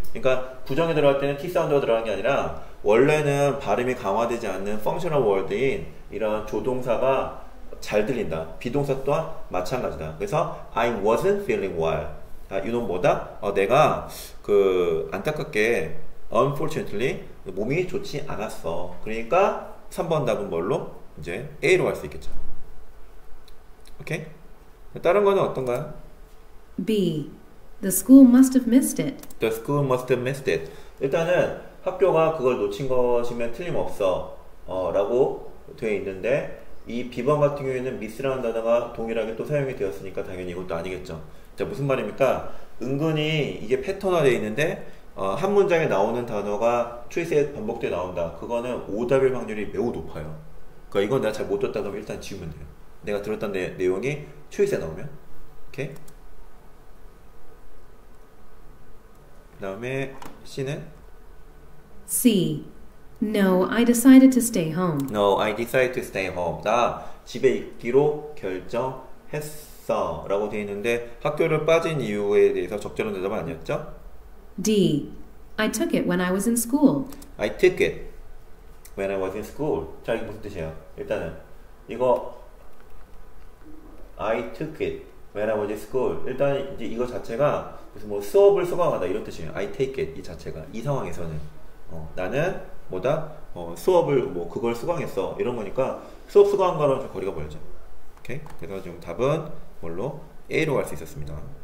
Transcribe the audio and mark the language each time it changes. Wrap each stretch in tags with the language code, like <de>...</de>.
<ko>그러니까 부정이 들어갈 때는 T 사운드가 들어가는 게 아니라 원래는 발음이 강화되지 않는</ko> <en>functional word</en> <ko>인 이런 조동사가 잘 들린다. 비동사 또한 마찬가지다. 그래서</ko> <en>I wasn't feeling well.</en> <ko>이놈 뭐다? 내가 그 안타깝게 unfortunately 몸이 좋지 않았어. 그러니까 3번 답은 뭘로? 이제 A로 할수 있겠죠. 오케이? 다른 거는 어떤가요? B.</ko> <en>The school must have missed it. The school must have missed it.</en> <ko>일단은 학교가 그걸 놓친 것이면 틀림없어. 라고 되어 있는데, 이 비번 같은 경우에는 미스라는 단어가 동일하게 또 사용이 되었으니까 당연히 이것도 아니겠죠. 자, 무슨 말입니까? 은근히 이게 패턴화되어 있는데, 한 문장에 나오는 단어가 트위스에 반복돼 나온다. 그거는 오답일 확률이 매우 높아요. 그러니까 이건 내가 잘못 들었다 그러면 일단 지우면 돼요. 내가 들었던 내용이 트윗에 나오면. 오케이. 그다음에 C는 C.</ko> <en>No, I decided to stay home. No, I decided to stay home.</en> <ko>나 집에 있기로 결정했어라고 돼 있는데 학교를 빠진 이유에 대해서 적절한 대답은 아니었죠? D.</ko> <en>I took it when I was in school. I took it when I was in school.</en> <ko>자, 이게 무슨 뜻이에요? 일단은 이거</ko> <en>I took it when I was in school.</en> <ko>일단 이제 이거 자체가 무슨 뭐 수업을 수강한다 이런 뜻이에요.</ko> <en>I take it</en> <ko>이 자체가 이 상황에서는 나는 뭐다? 수업을 뭐 그걸 수강했어 이런 거니까 수업 수강한 거랑 좀 거리가 멀죠. 오케이? 그래서 지금 답은 뭘로? A로 갈수 있었습니다.</ko>